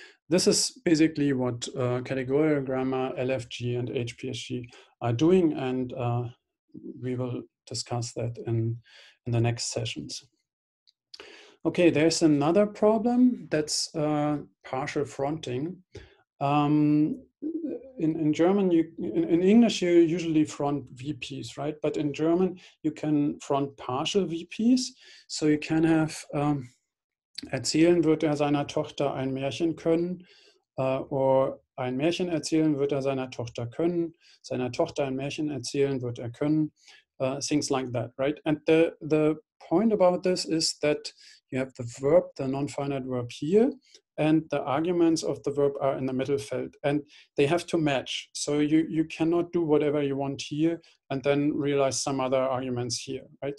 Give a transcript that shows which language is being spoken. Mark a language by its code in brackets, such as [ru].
[en] This is basically what categorical grammar, LFG, and HPSG are doing, and we will discuss that in the next sessions. Okay, there's another problem, that's partial fronting. In German, in English, you usually front VPs, right? But in German, you can front partial VPs. So you can have [de] erzählen wird seiner Tochter ein Märchen können, [en] or [de] ein Märchen erzählen wird seiner Tochter können, seiner Tochter ein Märchen erzählen wird können, [en] things like that, right? And the point about this is that you have the verb, the non-finite verb here, and the arguments of the verb are in the middle field, and they have to match. So you cannot do whatever you want here and then realize some other arguments here, right?